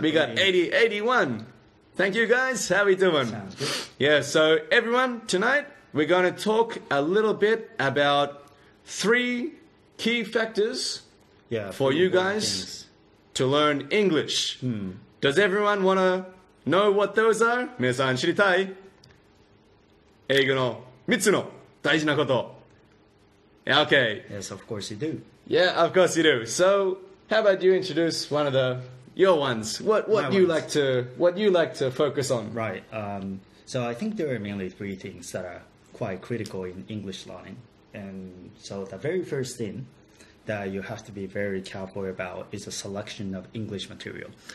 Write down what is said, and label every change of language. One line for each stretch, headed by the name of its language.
English: we got 81. Thank you guys. How we doing? Sounds good. Yeah, so everyone, tonight we're going to talk a little bit about three key factors for you guys to learn English. Does everyone want to know what those are?
Japanese: 皆さん知りたい?英語の3つの大事なこと。
English: Okay. Yes, of course you do. Yeah, of course you do. So, how about you introduce one of the your ones? What you like to focus on? Right. So I think there are mainly three things that are quite critical in English learning. And so the very first thing that you have to be very careful about is a selection of English material.